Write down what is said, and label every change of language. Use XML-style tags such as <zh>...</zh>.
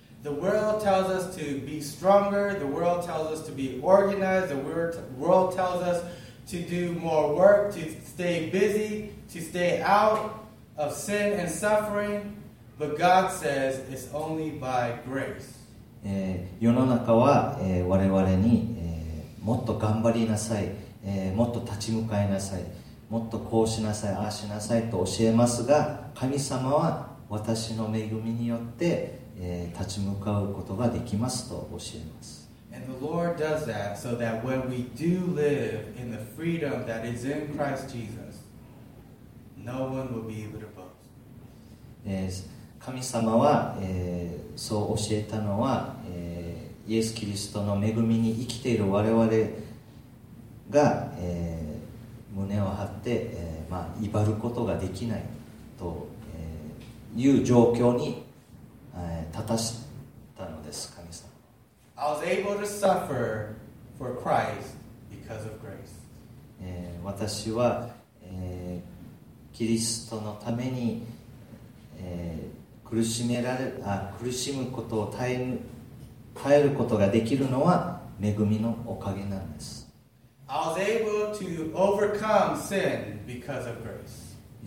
<en>The world tells us to be stronger, the world tells us to be organized, the world tells us to do more work, to stay busy, to stay out of sin and suffering, but God says it's only by grace.</en> <ja>世の中は、我々に、もっと頑張りなさい、もっと立ち向かいなさい、もっとこうしなさい、ああしなさいと教えますが、神様は私の恵みによって立ち向かうことができますと教えます。</ja> <en>And the Lord does that so that when we do live in the freedom that is in Christ Jesus, no one will be able to boast.</en> <ja>神様は、そう教えたのは、イエス・キリストの恵みに生きている我々が、胸を張って、まあ、威張ることができないという状況に立たしたのです、神様。</ja> <en>I was able to suffer for Christ because of grace.</en> <ja>私は、キリストのために、苦しむことを耐えることができるのは恵みのおかげなんです。</ja> <en>I was able to overcome sin because of grace.</en>